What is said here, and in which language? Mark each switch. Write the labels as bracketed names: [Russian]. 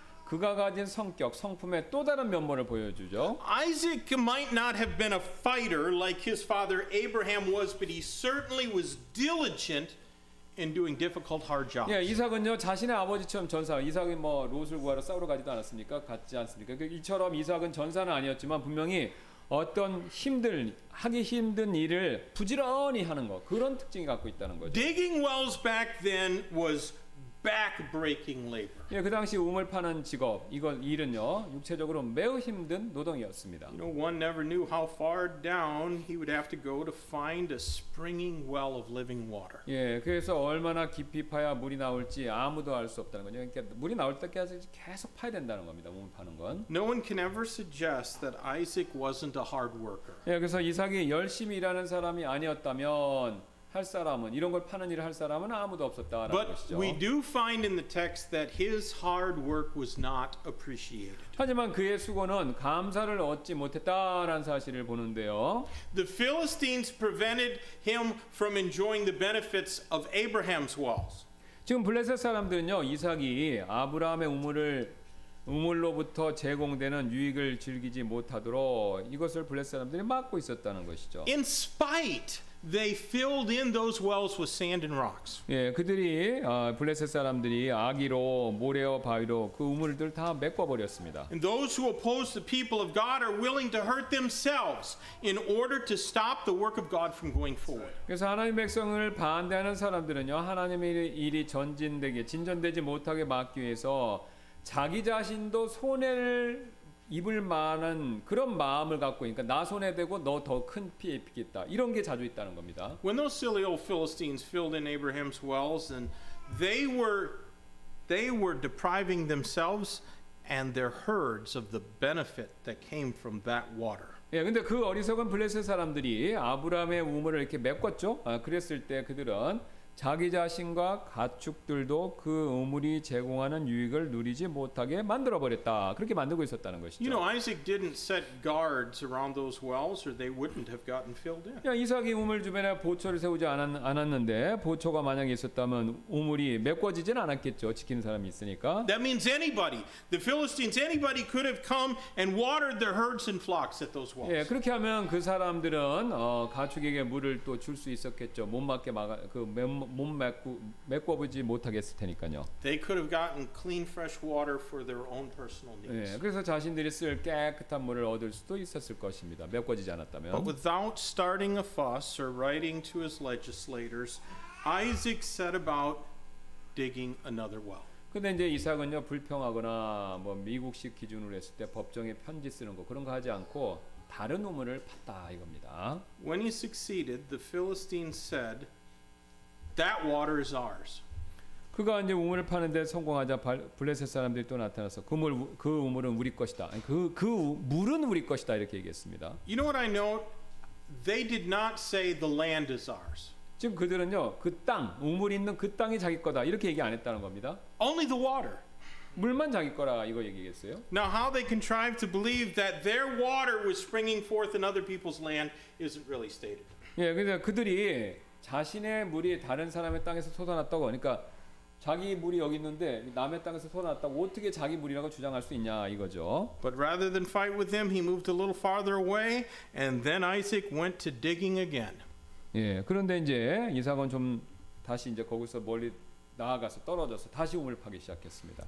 [Korean] 그가 가진 성격, 성품의 또 다른 면모를 보여주죠. [English] Isaac might not have been a fighter like his father Abraham was, but he certainly was diligent in doing difficult, hard jobs. [Korean] 예, 이삭은요 자신의 아버지처럼 전사. 이삭이 뭐 롯을 구하러 싸우러 가지도 않았습니까? 갔지 않습니까? 그러니까 이처럼 이삭은 전사는 아니었지만 분명히 어떤 힘들 하기 힘든 일을 부지런히 하는 거 그런 특징이 갖고 있다는 거죠. [English] Digging wells back then was back-breaking labor. [Korean] 예, 그 당시 우물 파는 직업 이건 일은요 육체적으로 매우 힘든 노동이었습니다. [English] You know, one never knew how far down he would have to go to find a springing well of living water. [Korean] 예, 그래서 얼마나 깊이 파야 물이 나올지 아무도 알 수 없다는 거죠. 그러니까 물이 나올 때까지 계속 파야 된다는 겁니다. 우물 파는 건. [English] No one can ever suggest that Isaac wasn't a hard worker. [Korean] 예, 그래서 이삭이 열심히 일하는 사람이 아니었다면 할 사람은 이런 걸 파는 일을 할 사람은 아무도 없었다라는 [English] But [Korean] 것이죠. [English] But we do find in the text that his hard work was not appreciated. [Korean] 하지만 그의 수고는 감사를 얻지 못했다라는 사실을 보는데요. [English] The Philistines prevented him from enjoying the benefits of Abraham's walls. [Korean] 지금 블레셋 사람들은요, 이삭이 아브라함의 우물을 우물로부터 제공되는 유익을 즐기지 못하도록 이것을 블레셋 사람들이 막고 있었다는 것이죠. [English] In spite They filled in those wells with sand and rocks. [Korean] 예, 그들이 블레셋 사람들이 아기로 모래와 바위로 그 우물들 다 메꿔 버렸습니다. [English] And those who oppose the people of God are willing to hurt themselves in order to stop the work of God from going forward. [Korean] 그래서 하나님의 백성을 반대하는 사람들은요, 하나님의 일이 전진되게 진전되지 못하게 막기 위해서 자기 자신도 손해를 입을 만한 그런 마음을 갖고 있으니까 나 손에 대고 너 더 큰 피해 입겠다 이런 게 자주 있다는 겁니다. [English] When those silly old Philistines filled in Abraham's wells, and they were depriving themselves and their herds of the benefit that came from that water. [Korean] 예, 근데 그 어리석은 블레셋 사람들이 아브라함의 우물을 이렇게 메꿨죠. 아, 그랬을 때 그들은 자기 자신과 가축들도 그 우물이 제공하는 유익을 누리지 못하게 만들어 버렸다. 그렇게 만들고 있었다는 것이죠. [English] You know, Isaac didn't set guards around those wells, or they wouldn't have gotten filled in. [Korean] 야, 이삭이 우물 주변에 보초를 세우지 않았는데 보초가 만약에 있었다면 우물이 메꿔지진 않았겠죠. 지키는 사람이 있으니까. [English] That means anybody, the Philistines, anybody could have come and watered their herds and flocks at those wells. [Korean] 예, 그렇게 하면 그 사람들은 가축에게 물을 또 줄 수 있었겠죠. 못 막게 막아 그 메꿔보지 못하겠을 테니까요. [English] They could have gotten clean, fresh water for their own personal needs. [Korean] 예, 그래서 자신들이 쓸 깨끗한 물을 얻을 수도 있었을 것입니다. 메꿔지지 않았다면. [English] But without starting a fuss or writing to his legislators, Isaac set about digging another well. [Korean] 근데 이제 이삭은요 불평하거나 뭐 미국식 기준으로 했을 때 법정에 편지 쓰는 거 그런 거 하지 않고 다른 우물을 팠다 이겁니다. [English] When he succeeded, the Philistines said. That water is ours. [Korean] 그가 이제 우물을 파는데 성공하자 블레셋 사람들이 또 나타나서 그 우물은 우리 것이다. 그 물은 우리 것이다 이렇게 얘기했습니다. [English] You know what I know? They did not say the land is ours. [Korean] 지금 그들은요 그 땅 우물 있는 그 땅이 자기 거다 이렇게 얘기 안 했다는 겁니다. [English] Only the water. [Korean] 물만 자기 거라 이거 얘기했어요. [English] Now how they contrived to believe that their water was springing forth in other people's land isn't really stated. [Korean] 예, 그래서 그들이 자신의 물이 다른 사람의 땅에서 솟아났다고 그러니까 자기 물이 여기 있는데 남의 땅에서 솟아났다고 어떻게 자기 물이라고 주장할 수 있냐 이거죠. [English] But rather than fight with him, he moved a little farther away, and then Isaac went to digging again. [Korean] 예, 그런데 이제 이삭은 좀 다시 이제 거기서 멀리 나아가서 떨어져서 다시 우물을 파기 시작했습니다.